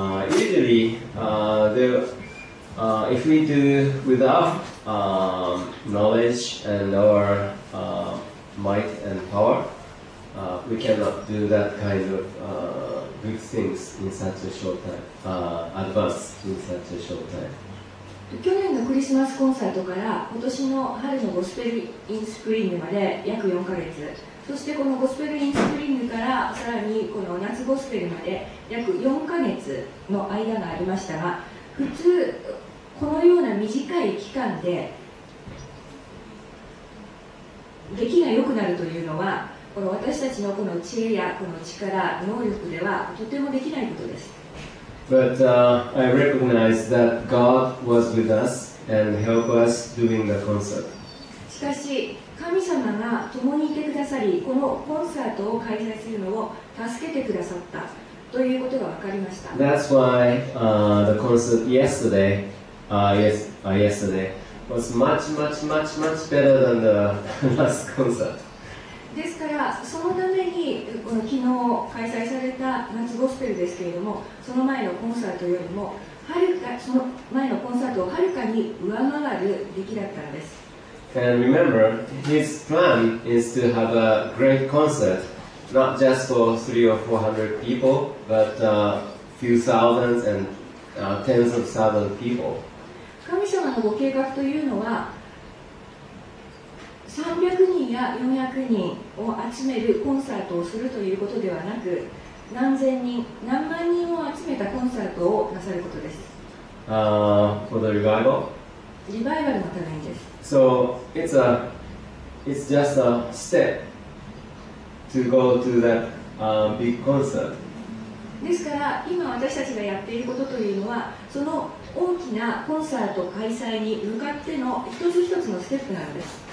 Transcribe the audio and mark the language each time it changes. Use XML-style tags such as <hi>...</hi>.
<en>Usually thereIf we do without knowledge and our might and power, we cannot do that kind of good things in such a short time, advance in such a short time.</en> <ja>去年のクリスマスコンサートから今年の春のゴスペルインスプリングまで約4ヶ月、そしてこのゴスペルインスプリングからさらにこの夏ゴスペルまで約4ヶ月の間がありましたが、普通このような短い期間で出来が良くなるというのはこの私たちのこの知恵やこの力、能力ではとてもできないことです。</ja> <en>But I recognize that God was with us and helped us doing the concert.</en> <ja>しかし神様が共にいてくださりこのコンサートを開催するのを助けてくださったということが分かりました。</ja> <en>That's why the concert yesterdayyesterday was much, much, much, much better than the last concert.</en> <ja>ですから、そのためにこの昨日開催された夏ゴスペルですけれども、その前のコンサートよりもはるかその前のコンサートをはるかに上回る出来だったんです。</ja> <en>And remember, his plan is to have a great concert, not just for 300 or 400 people, but a few thousands and tens of thousand people.</en> <ja>神様のご計画というのは300人や400人を集めるコンサートをするということではなく何千人、何万人を集めたコンサートをなさることです。</ja> <en>For the revival?</en> <ja>リバイバルのためにです。</ja> <en>So it's just a step to go to that big concert.</en> <ja>ですから今私たちがやっていることというのはその大きなコンサート開催に向かっての一つ一つのステップなんです。</ja>